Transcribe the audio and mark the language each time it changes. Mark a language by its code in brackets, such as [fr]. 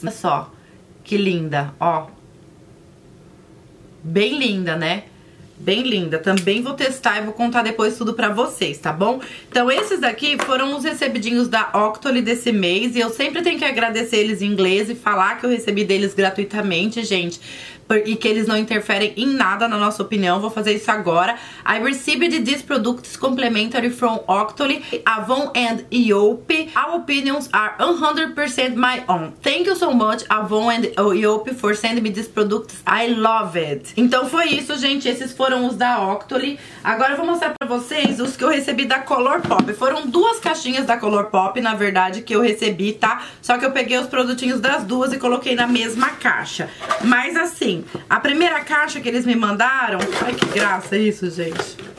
[pt] Olha só, que linda, ó. Bem linda, né? Bem linda. Também vou testar e vou contar depois tudo pra vocês, tá bom? Então, esses daqui foram os recebidinhos da Octoly desse mês. E eu sempre tenho que agradecer eles em inglês e falar que eu recebi deles gratuitamente, gente. E que eles não interferem em nada, na nossa opinião. Vou fazer isso agora. [en] I received these products complimentary from Octoly, Avon and Yope. Our opinions are 100% my own. Thank you so much, Avon and Yope, for sending me these products. I love it. [pt] Então foi isso, gente. Esses foram os da Octoly. Agora eu vou mostrar pra vocês os que eu recebi da Colourpop. Foram duas caixinhas da Colourpop, na verdade, que eu recebi, tá? Só que eu peguei os produtinhos das duas e coloquei na mesma caixa. Mas assim, a primeira caixa que eles me mandaram... Ai, que graça isso, gente.